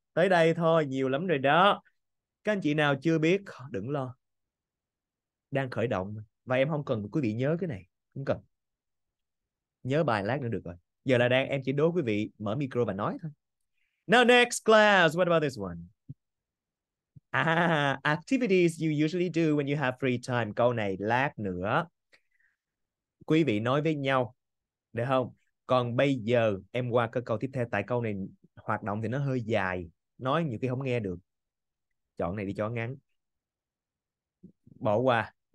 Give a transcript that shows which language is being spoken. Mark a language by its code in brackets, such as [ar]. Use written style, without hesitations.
[vi] Tới đây thôi, nhiều lắm rồi đó. Các anh chị nào chưa biết, đừng lo. Đang khởi động Và em không cần quý vị nhớ cái này, không cần. Nhớ bài lát nữa được rồi. Giờ là đang em chỉ đố quý vị mở micro và nói thôi. [en] Now next class, what about this one? Activities you usually do when you have free time. [vi] Câu này lát nữa. Quý vị nói với nhau, được không? Còn bây giờ em qua cái câu tiếp theo. Tại câu này hoạt động thì nó hơi dài, nói nhiều khi không nghe được. Chọn này đi cho ngắn, bỏ qua.